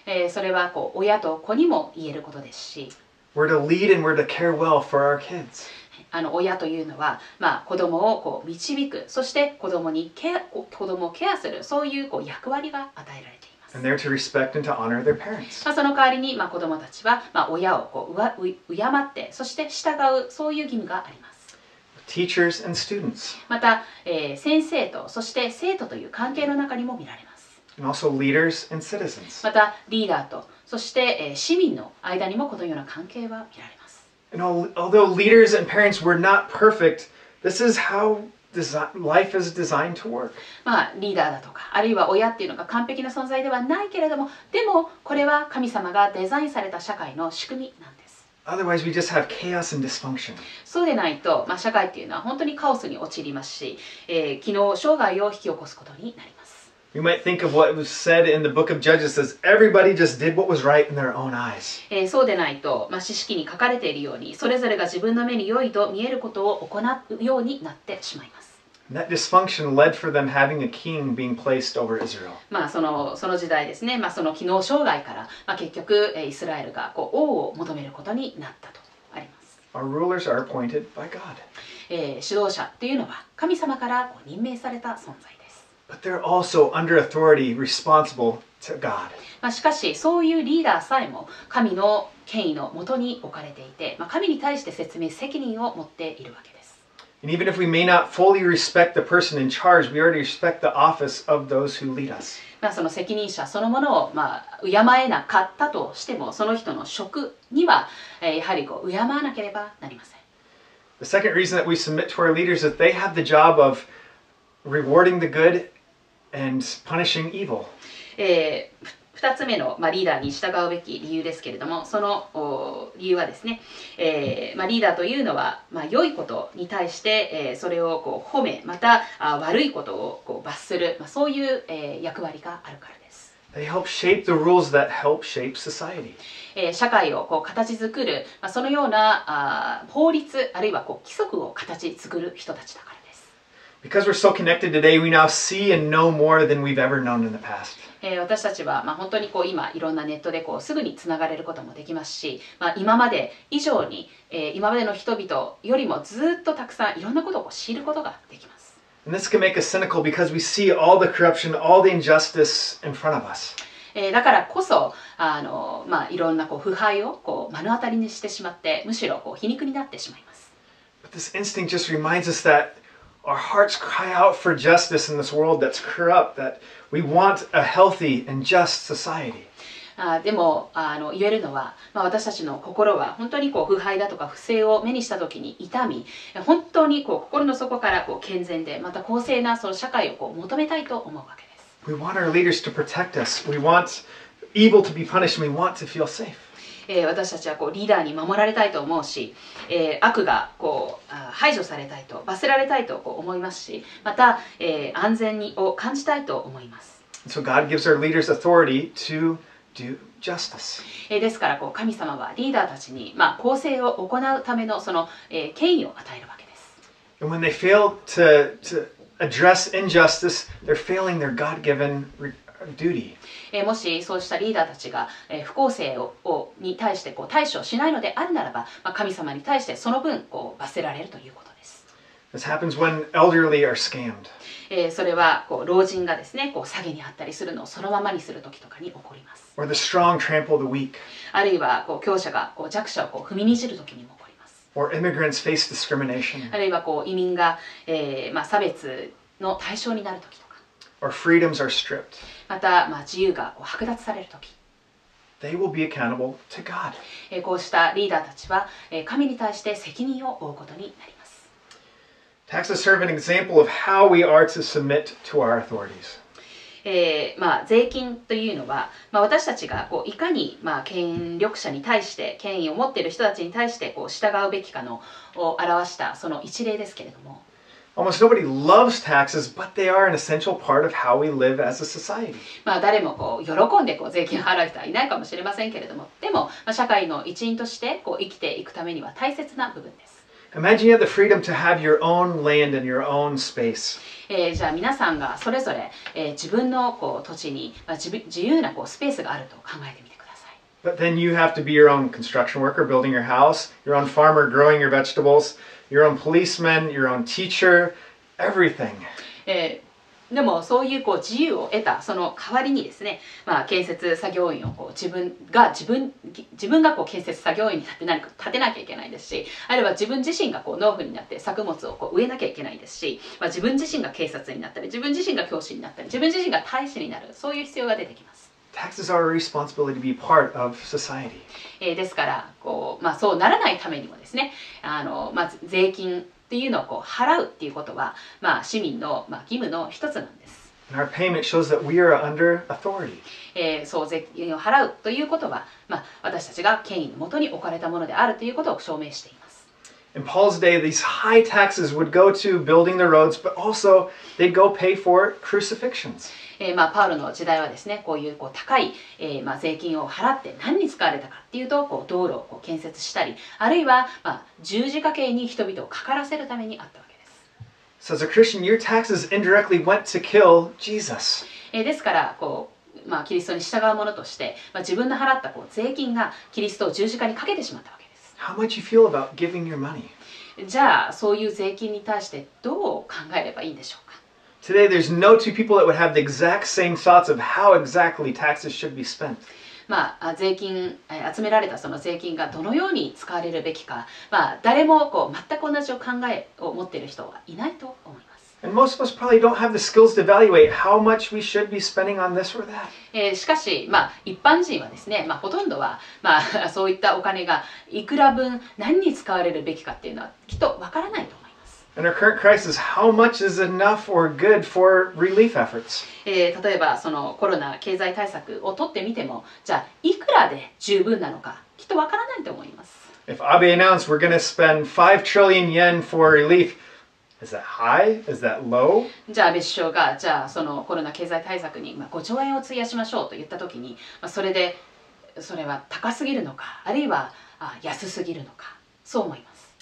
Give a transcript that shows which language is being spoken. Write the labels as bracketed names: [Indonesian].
[Japanese] それはこう親と子にも言えることですし。 [English] We're to lead and we're to care well for our kids. [Japanese] 親というのは、まあ、子供をこう導く、そして子供にケア、子供をケアする、そういう、こう役割が与えられています。 [English] And they're to respect and to honor their parents. [Japanese] まあ、その代わりに、まあ、子供たちは、まあ、親をこう敬って、そして従う、そういう義務があります。 [English] Teachers and students. [Japanese] また、先生とそして生徒という関係の中にも見られます。 [English] And also leaders and citizens. [Japanese] またリーダーとそして、市民の間にもこのような関係は見られます。 [English] And although leaders and parents were not perfect, this is how life is designed to work. [Japanese] まあリーダーだとかあるいは親っていうのが完璧な存在ではないけれども、でもこれは神様がデザインされた社会の仕組みなんです。 [English] Otherwise, we just have chaos and dysfunction. [Japanese] そうでないと、まあ、社会っていうのは本当にカオスに陥りますし、機能障害を引き起こすことになります。 [English] You might think of what was said in the book of Judges as everybody just did what was right in their own eyes. [Japanese] そうでないと、まあ、詩式に書かれているように、それぞれが自分の目に良いと見えることを行うようになってしまいます。 [English] And that dysfunction led for them having a king being placed over Israel. [Japanese] まあその時代ですね。まあその機能障害から、まあ、結局イスラエルがこう王を求めることになったとあります。 [English] Our rulers are appointed by God. [Japanese] 指導者っていうのは神様からこう任命された存在です。 [English] But they're also under authority, responsible to God. [Japanese] まあしかしそういうリーダーさえも神の権威のもとに置かれていて、まあ、神に対して説明責任を持っているわけです。 [English] And even if we may not fully respect the person in charge, we already respect the office of those who lead us. [Japanese] まあその責任者そのものをまあ敬えなかったとしても、その人の職にはやはりこう敬わなければなりません。 [English] The second reason that we submit to our leaders is that they have the job of rewarding the good and punishing evil. [Japanese] 二つ目の、まあ、リーダーに従うべき理由ですけれども、その理由はですね、まあ、リーダーというのは、まあ、良いことに対して、それをこう褒め、また悪いことをこう罰する、まあ、そういう、役割があるからです。 [English] They help shape the rules that help shape society. [Japanese] 社会をこう形作る、まあ、そのような法律、あるいはこう規則を形作る人たちだからです。 [English] Because we're so connected today, we now see and know more than we've ever known in the past. [Japanese] 私たちは、まあ、本当にこう今いろんなネットでこうすぐにつながれることもできますし、まあ、今まで以上に、今までの人々よりもずっとたくさんいろんなことをこう知ることができます。 [English] And this can make us cynical because we see all the corruption, all the injustice in front of us. [Japanese] だからこそまあ、いろんなこう腐敗をこう目の当たりにしてしまって、むしろこう皮肉になってしまいます。 [English] But this instinct just reminds us thatOur hearts cry out for justice in this world that's corrupt, that we want a healthy and just society. [Japanese] でも言えるのは、まあ、私たちの心は本当にこう腐敗だとか不正を目にした時に痛み、本当にこう心の底からこう健全で、また公正なその社会をこう求めたいと思うわけです。 [English] We want our leaders to protect us. We want evil to be punished. We want to feel safe. [Japanese] 私たちはこうリーダーに守られたいと思うし、悪がこう排除されたいと罰せられたいと思いますし、また、安全にを感じたいと思います。 [English] So God gives our leaders authority to do justice. [Japanese] ですからこう神様はリーダーたちに、まあ、公正を行うためのその、権威を与えるわけです。 [English] And when they fail to address injustice, they're failing their God-given duty. [Japanese] もしそうしたリーダーたちが不公正に対してこう対処しないのであるならば、まあ、神様に対してその分こう罰せられるということです。 [English] This happens when elderly are scammed. [Japanese] それはこう老人がですね、こう詐欺にあったりするのをそのままにするときとかに起こります。 [English] Or the strong trample the weak. [Japanese] あるいはこう強者がこう弱者をこう踏みにじるときにも起こります。 [English] Or immigrants face discrimination. [Japanese] あるいはこう移民が、まあ、差別の対象になるときとか。 [English] Or freedoms are stripped. [Japanese] また、まあ、自由が剥奪されるとき。 [English] They will be accountable to God. [Japanese] こうしたリーダーたちは、神に対して責任を負うことになります。 [English] Taxes serve an example of how we are to submit to our authorities. [Japanese] まあ、税金というのは、まあ、私たちがこういかに、まあ、権力者に対して、権威を持っている人たちに対してこう従うべきかのを表したその一例ですけれども。 [English] Almost nobody loves taxes, but they are an essential part of how we live as a society. [Japanese] まあ誰もこう喜んでこう税金払う人はいないかもしれませんけれども、でも、まあ、社会の一員としてこう生きていくためには大切な部分です。 [English] Imagine you have the freedom to have your own land and your own space. [Japanese] じゃあ皆さんがそれぞれ、自分のこう土地に、まあ、自由なこうスペースがあると考えてみてください。 [English] But then you have to be your own construction worker, building your house, your own farmer, growing your vegetables, your own policeman, your own teacher, everything. [Japanese] でもそういうこう自由を得たその代わりにですね、まあ、建設作業員をこう自分がこう建設作業員になって何か建てなきゃいけないですし、あるいは自分自身がこう農夫になって作物をこう植えなきゃいけないですし、まあ、自分自身が警察になったり、自分自身が教師になったり、自分自身が大使になる、そういう必要が出てきます。 [English] Taxes are a responsibility to be part of society. [Japanese] ですからこう、まあ、そうならないためにもですね、まず税金っていうのをこう払うっていうことは、まあ、市民の、まあ、義務の一つなんです。 [English] And our payment shows that we are under authority. [Japanese] 相続税を払うということは、まあ、私たちが権威のもとに置かれたものであるということを証明しています。 [English] In Paul's day, these high taxes would go to building the roads, but also they'd go pay for crucifixions. [Japanese] まあ、パウロの時代はですね、こういうこう高い、まあ、税金を払って何に使われたかっていうと、こう道路をこう建設したり、あるいは、まあ、十字架刑に人々をかからせるためにあったわけです。 [English] So as a Christian, your taxes indirectly went to kill Jesus. [Japanese] ですから、こう、まあ、キリストに従う者として、まあ、自分の払ったこう税金がキリストを十字架にかけてしまったわけです。 [English] How much you feel about giving your money? [Japanese] じゃあ、そういう税金に対してどう考えればいいんでしょうか。 [English] Today, there's no two people that would have the exact same thoughts of how exactly taxes should be spent. [Japanese] まあ、税金、集められたその税金がどのように使われるべきか、まあ、誰もこう全く同じ考えを持っている人はいないと思います。 [English] And most of us probably don't have the skills to evaluate how much we should be spending on this or that. [Japanese] しかし、まあ、一般人はですね、まあ、ほとんどは、まあ、そういったお金がいくら分何に使われるべきかっていうのはきっとわからないと。 [English] In our current crisis, how much is enough or good for relief efforts? [Japanese] 例えばそのコロナ経済対策を取ってみても、じゃあいくらで十分なのか、きっとわからないと思います。 [English] If Abe announced we're going to spend 5 trillion yen for relief, is that high? Is that low? [Japanese] じゃあ安倍首相が、じゃあそのコロナ経済対策に5兆円を費やしましょうと言ったときに、それは高すぎるのか、あるいは安すぎるのか、そう思います。